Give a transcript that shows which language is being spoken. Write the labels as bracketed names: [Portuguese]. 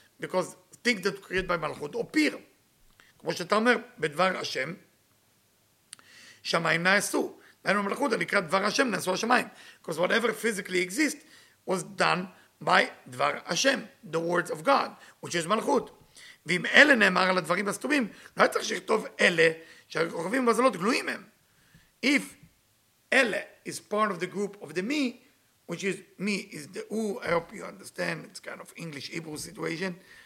[English] Because things that are created by מלכות appear. [Hebrew] כמו שאתה אומר, בדבר השם, שמיים נעשו. [English] Because whatever physically exists was done by Dvar Hashem, the words of God, which is Malchut. If Ele is part of the group of the me, which is me is the U, I hope you understand, it's kind of English-Hebrew situation.